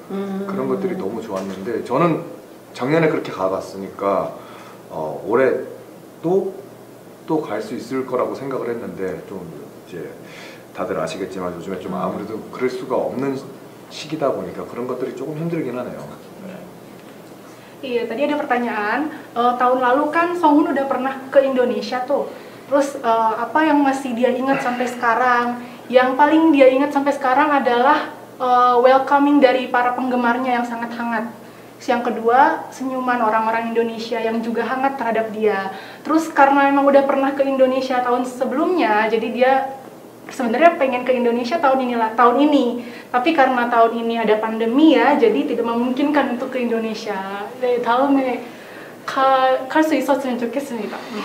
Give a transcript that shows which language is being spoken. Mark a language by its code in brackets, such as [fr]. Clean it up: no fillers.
[ko] 그런 것들이 너무 좋았는데 저는 작년에 그렇게 가봤으니까 올해 또 갈 수 있을 거라고 생각을 했는데 좀 이제 다들 아시겠지만 요즘에 좀 아무래도 그럴 수가 없는 시기다 보니까 그런 것들이 조금 힘들긴 하네요. [id] 이 tadi ada pertanyaan tahun lalu kan Songun udah pernah ke Indonesia tuh. Terus apa yang masih dia ingat sampai sekarang? Yang paling dia ingat sampai sekarang adalah welcoming dari para penggemarnya yang sangat hangat. Yang kedua, senyuman orang-orang Indonesia yang juga hangat terhadap dia. Terus karena memang udah pernah ke Indonesia tahun sebelumnya, jadi dia sebenarnya pengen ke Indonesia tahun ini. Tapi karena tahun ini ada pandemi ya, jadi tidak memungkinkan untuk ke Indonesia. [ko] 네, 다음에 갈 수 있었으면 좋겠습니다.